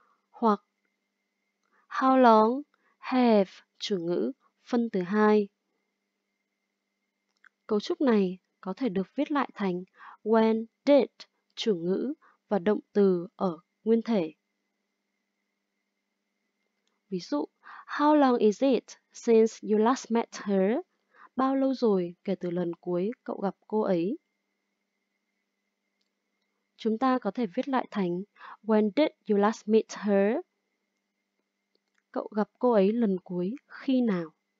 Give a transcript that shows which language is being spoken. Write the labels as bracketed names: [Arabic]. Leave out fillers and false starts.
[Vietnamese] Hoặc [English] how long have, [Vietnamese] chủ ngữ, phân từ 2. Cấu trúc này có thể được viết lại thành [English] when did, [Vietnamese] chủ ngữ, và động từ ở nguyên thể. Ví dụ, [English] how long is it since you last met her? [Vietnamese] Bao lâu rồi kể từ lần cuối cậu gặp cô ấy? Chúng ta có thể viết lại thành [English] when did you last meet her? [Vietnamese] Cậu gặp cô ấy lần cuối khi nào?